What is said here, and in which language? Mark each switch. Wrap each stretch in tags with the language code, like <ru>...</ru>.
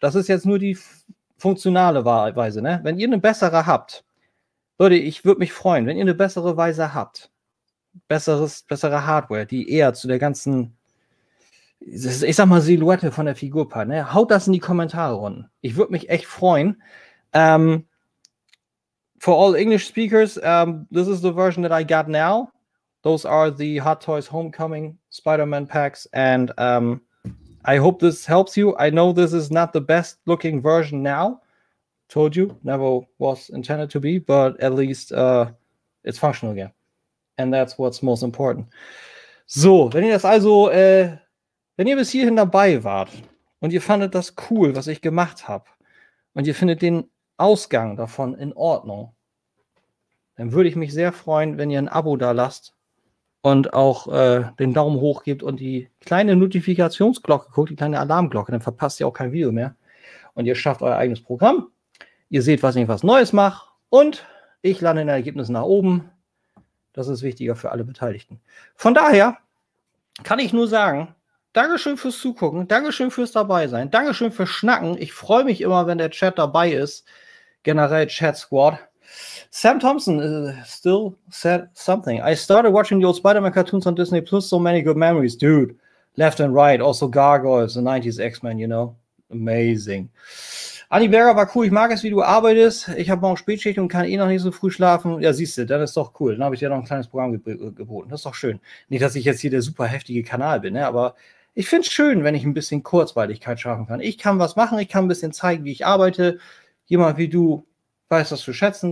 <de>Das ist jetzt nur die funktionale Weise, ne? Wenn ihr eine bessere habt, Leute, ich würde mich freuen, wenn ihr eine bessere Weise habt. Bessere Hardware, die eher zu der ganzen, ich sag mal, Silhouette von der Figur passt, ne? Haut das in die Kommentare runter. Ich würde mich echt freuen.</de> <en>For all English speakers, this is the version that I got now. Those are the Hot Toys Homecoming Spider-Man Packs and, I hope this helps you. I know this is not the best looking version now. Told you, never was intended to be, but at least it's functional again. And that's what's most important.</en> <de>So, wenn ihr das also, wenn ihr bis hierhin dabei wart und ihr fandet das cool, was ich gemacht habe, und ihr findet den Ausgang davon in Ordnung, dann würde ich mich sehr freuen, wenn ihr ein Abo da lasst. Und auch den Daumen hoch gibt und die kleine Notifikationsglocke guckt, die kleine Alarmglocke, dann verpasst ihr auch kein Video mehr. Und ihr schafft euer eigenes Programm. Ihr seht, was ich was Neues mache. Und ich lande in Ergebnissen nach oben. Das ist wichtiger für alle Beteiligten. Von daher, kann ich nur sagen, Dankeschön fürs Zugucken, Dankeschön fürs Dabeisein, Dankeschön fürs Schnacken. Ich freue mich immer, wenn der Chat dabei ist. Generell Chat Squad.</de> <en>Sam Thompson still said something. I started watching the old Spider-Man cartoons on Disney Plus. So many good memories, dude. Left and right. Also Gargoyles, the 90s X-Men, you know. Amazing.</en> <de>Anni Berger war cool. Ich mag es, wie du arbeitest. Ich habe morgen Spätschicht und kann eh noch nicht so früh schlafen. Ja, siehst du, dann ist doch cool. Dann habe ich dir noch ein kleines Programm geboten. Das ist doch schön. Nicht, dass ich jetzt hier der super heftige Kanal bin, ne? Aber ich finde es schön, wenn ich ein bisschen Kurzweiligkeit schaffen kann. Ich kann was machen. Ich kann ein bisschen zeigen, wie ich arbeite. Jemand wie du weiß das zu schätzen.</de>